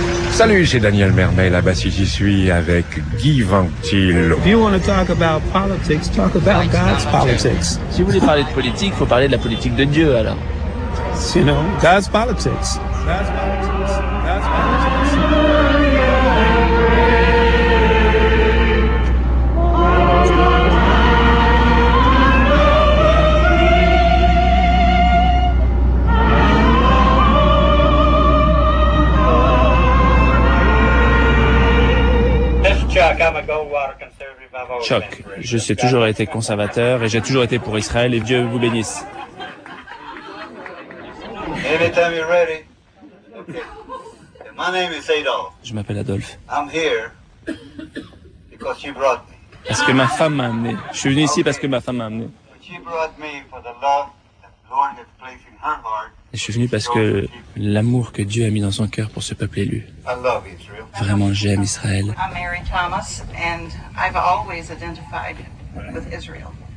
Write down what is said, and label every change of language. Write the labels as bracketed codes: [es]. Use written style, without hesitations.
[fr] Salut, c'est Daniel Mermet, là-bas si j'y suis avec Guy Van Til. [en] If you want to talk about politics, talk about God's politics. [fr] Si vous voulez parler de politique, faut parler de la politique de Dieu alors. [en] You know, God's politics. God's politics. God's politics. [fr] Chuck, je sais toujours été conservateur et j'ai toujours été pour Israël et Dieu vous bénisse. [en] Anytime you're ready. Okay. My name is Adolf. [fr] Je m'appelle Adolf. [en] I'm here because she brought me. [fr] Parce que ma femme m'a amené. Je suis venu ici parce que ma femme m'a amené. [en] She brought me for the love that the Lord has placed in her heart. [fr] Et je suis venu parce que l'amour que Dieu a mis dans son cœur pour ce peuple élu. [en] I love Israel. [fr] Vraiment, j'aime Israël. [en] I'm Mary Thomas and I've always identified with Israel.